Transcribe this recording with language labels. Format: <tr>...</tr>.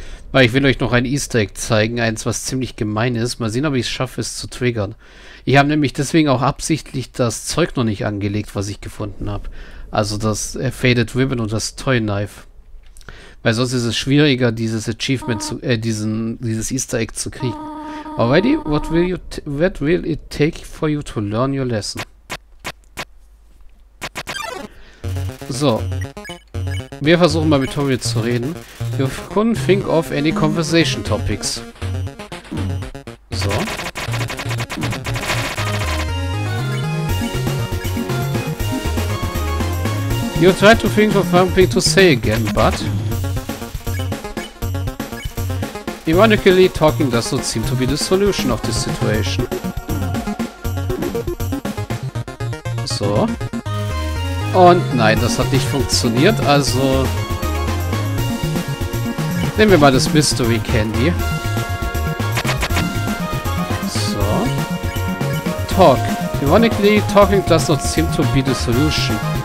<de>Weil ich will euch noch ein Easter Egg zeigen, eins, was ziemlich gemein ist. Mal sehen, ob ich es schaffe, es zu triggern. Ich habe nämlich deswegen auch absichtlich das Zeug noch nicht angelegt, was ich gefunden habe. Also das Faded Ribbon und das Toy Knife. Weil sonst ist es schwieriger, dieses Achievement zu, dieses Easter Egg zu kriegen.</de> <en>Alrighty, what will it take for you to learn your lesson?</en> <de>So. Wir versuchen mal mit Tommy zu reden.</de> <en>You couldn't think of any conversation topics. So. You try to think of something to say again, but ironically, talking does not seem to be the solution of this situation.</en> <de>So. Und nein, das hat nicht funktioniert, also nehmen wir mal das Mystery Candy.</de> <en>So. Talk. Ironically, talking does not seem to be the solution.</en>